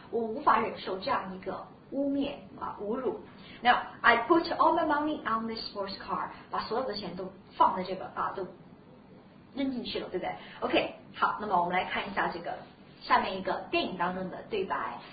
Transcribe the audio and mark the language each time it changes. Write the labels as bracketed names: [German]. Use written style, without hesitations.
[Chinese] 我无法忍受这样一个污蔑啊，侮辱。 [English] Now I put all my money on this sports car. [Chinese] 把所有的钱都放在这个啊，都扔进去了，对不对 ？OK， 好，那么我们来看一下这个下面一个电影当中的对白。